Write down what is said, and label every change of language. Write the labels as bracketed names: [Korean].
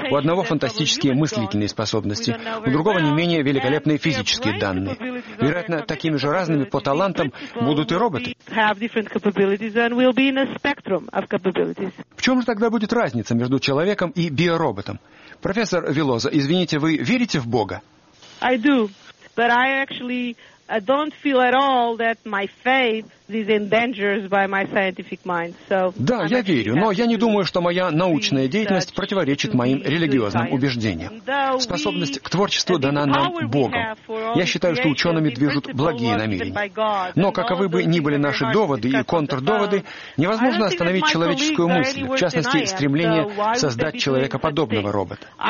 [Russian] У одного фантастические мыслительные способности, у другого не менее великолепные физические данные. Вероятно, такими же разными по талантам будут и роботы. В чем же тогда будет разница между человеком и биороботом? Профессор Виллоза, извините, вы верите в Бога? [English] I do, but I actually... I don't feel at all that my faith is endangered by my scientific mind. So, [Russian] да, я верю, но я не думаю, что моя научная деятельность противоречит моим религиозным убеждениям. Способность к творчеству дана нам Богом. Я считаю, что учеными движут благие намерения. Но каковы бы ни были наши доводы и контрдоводы, невозможно остановить человеческую мысль, в частности, стремление создать человекоподобного робота.